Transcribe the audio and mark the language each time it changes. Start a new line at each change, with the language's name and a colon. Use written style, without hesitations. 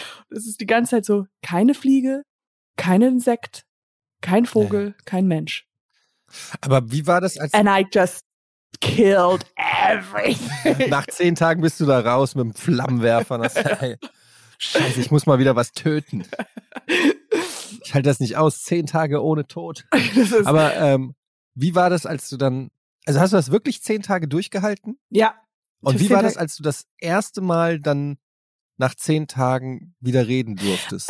German: Das ist die ganze Zeit so, keine Fliege, kein Insekt, kein Vogel, kein Mensch. Aber wie war das als...
English: And I just killed everything.
German: Nach 10 Tagen bist du da raus mit dem Flammenwerfer. Das, hey, Scheiße, ich muss mal wieder was töten. Ich halte das nicht aus, 10 Tage ohne Tod. Aber wie war das, als du dann, also hast du das wirklich 10 Tage durchgehalten? Ja. Und wie war das, als du das erste Mal dann nach 10 Tagen wieder reden durftest?